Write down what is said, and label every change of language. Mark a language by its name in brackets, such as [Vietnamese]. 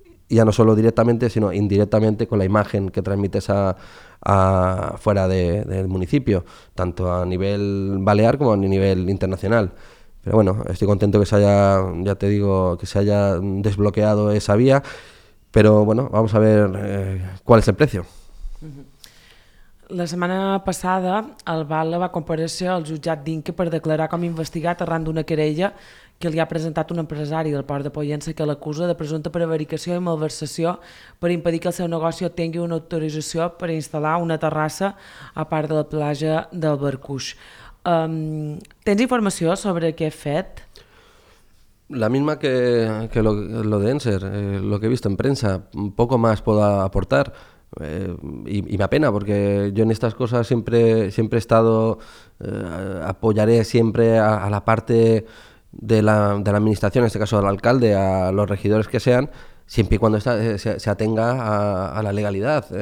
[Spanish] Ya no solo directamente, sino indirectamente con la imagen que transmites a fuera del municipio, tanto a nivel balear como a nivel internacional. Pero bueno, estoy contento que se haya, ya te digo, que se haya desbloqueado esa vía, pero bueno, vamos a ver cuál es el precio. [Catalan] La setmana passada el Bala va comparèixer al jutjat d'Inca per declarar com investigat arran d'una querella que li ha presentat un empresari del port de Pollença que l'acusa de presumpta prevaricació i malversació per impedir que el seu negoci obtingui una autorització per instal·lar una terrassa a part de la platja del Barcuix. Tens informació sobre què ha fet? [Spanish] La misma que lo de Enser, lo que he visto en prensa, poco más puedo aportar. Y me apena, porque yo en estas cosas siempre he estado, apoyaré siempre a la parte de la administración, en este caso al alcalde, a los regidores que sean, siempre y cuando se atenga a la legalidad.